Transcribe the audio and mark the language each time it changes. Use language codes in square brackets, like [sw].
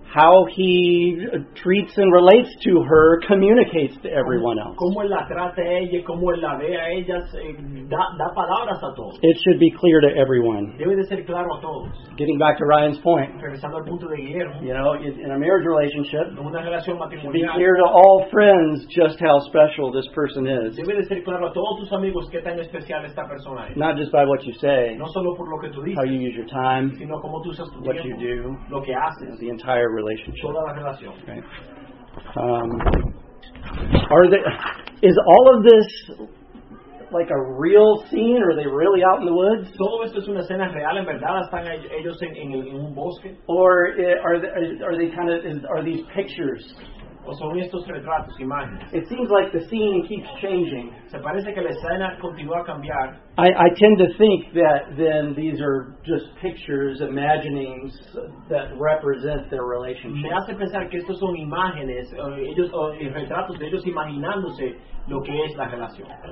[en] How he treats and relates to her communicates to everyone else. [es] Cómo él la trata a ella, cómo él la ve a ella, da palabras a todos. [en] It should be clear to everyone. [es] Debe de ser claro a todos. [en] Getting back to Ryan's point. [es] Regresando al punto de Guillermo. [en] You know, in a marriage relationship, [es] una relación matrimonial, [en] be clear to all friends just how special this person is. [es] Debe de ser claro a todos tus amigos qué tan especial esta persona es. [en] Not just by what you say. [es] No solo por lo que tú dices. [en] How you use your time. [es] Sino como tú usas tu [en] what [es] tiempo, [en] you do, [es] lo que haces, [en] the entire relationship. [es] Toda la relación. [en] Right. Is all of this like a real scene, or are they really out in the woods? [es] Todo esto es una escena real, en verdad, están ellos en un bosque. [en] Or are these pictures? [es] O son estos retratos, imágenes. [en] It seems like the scene keeps changing. [es] Se parece que la escena continúa a cambiar. [en] I tend to think that then these are just pictures, imaginings that represent their relationship. [es] Me hace pensar que estos son imágenes, ellos, o retratos de ellos imaginándose lo que es la relación.